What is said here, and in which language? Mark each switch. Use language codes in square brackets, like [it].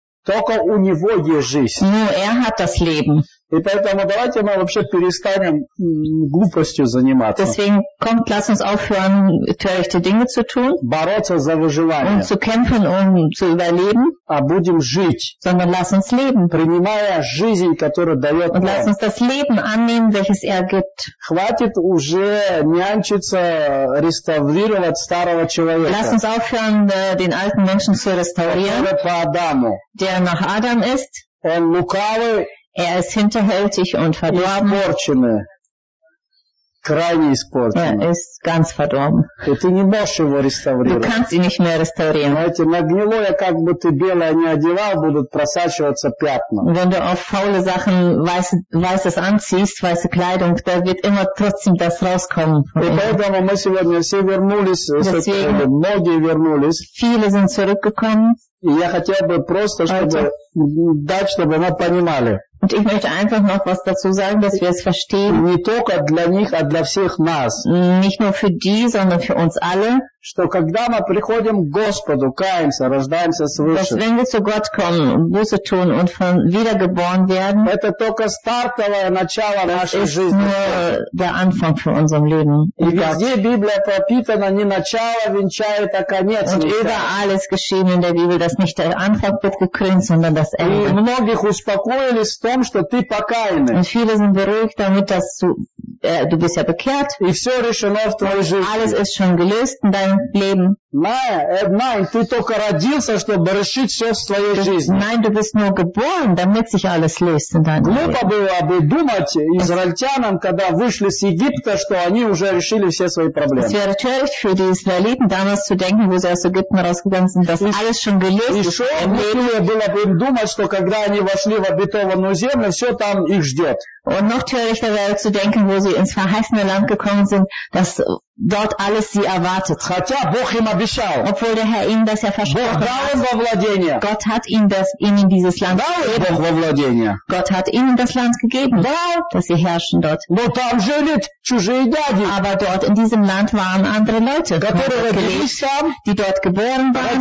[ru] Только у него есть жизнь. [de] Nur er hat das Leben. [ru] И поэтому давайте мы вообще перестанем глупостью заниматься. [de] Deswegen kommt, lass uns aufhören, törichte Dinge zu tun. [ru] Бороться за выживание. [de] Und zu kämpfen, um zu überleben. [ru] А будем жить. [de] Sondern lass uns leben. [ru] Принимая жизнь, которую дает Бог. [de] Und lass uns das Leben annehmen, welches er gibt. [ru] Хватит уже нянчиться, реставрировать старого человека. [de] Lass uns aufhören, den alten Menschen zu restaurieren. Der [ru] по Адаму. [de] Der nach Adam ist. [ru] Он лукавый. [de] Er ist hinterhältig und verdorben. [ru] Испорченный. Крайне испорченный. [de] Er ist ganz verdorben. [ru] И ты не можешь его реставрировать. [de] Du kannst ihn nicht mehr restaurieren. [ru] Знаете, на гнилое, как бы ты белое не одевал, будут просачиваться пятна. [de] Wenn du auf faule Sachen weißes anziehst, weiße Kleidung, da wird immer trotzdem das rauskommen. [ru] И поэтому мы сегодня все вернулись, многие вернулись. [de] Viele sind zurückgekommen. [ru] И я хотел бы просто, чтобы дать, чтобы мы понимали. [de] Und ich möchte einfach noch was dazu sagen, dass wir es verstehen. [ru] Не только для них, а для всех нас. [de] Nicht nur für die, sondern für uns alle. [ru] Что когда мы приходим к Господу, каемся, рождаемся свыше. [de] Dass wenn wir zu Gott kommen, Buße tun und von wiedergeboren werden. [ru] Это только стартовое начало нашей жизни. Это только [de] der Anfang für unser Leben. [ru] И везде Библия пропитана, не начало венчает, а конец. [de] Und überall ist geschehen in der Bibel, dass nicht der Anfang wird gekrönt, sondern das Ende. [ru] И многих успокоились в том, что ты покаянный. [de] Und viele sind beruhigt damit, dass du bist ja bekehrt. [ru] И все решено в твоей жизни. [de] Alles ist schon gelöst in deinem Leben. Nein, [ru] ты только родился, чтобы решить все в своей жизни. [de] Nein, du bist nur geboren, damit sich alles löst in deinem Leben. [ru] Глупо было бы думать израильтянам, когда вышли с Египта, что они уже решили все свои проблемы. [de] Es wäre töricht für die Israeliten, damals zu denken, wo sie aus Ägypten rausgegangen sind, dass alles schon gelöst ist. [ru] И еще глупее было бы им думать, что когда они вошли в обетованную землю, все там их ждет. [de] Und noch törichter wäre zu denken, wo sie ins verheißene Land gekommen sind, dass dort alles sie erwartet. Obwohl der Herr ihnen das ja versprochen hat. Gott hat ihnen das in dieses Land gegeben. Gott hat ihnen das Land gegeben, dass sie herrschen dort. Aber dort in diesem Land waren andere Leute, die dort geboren waren,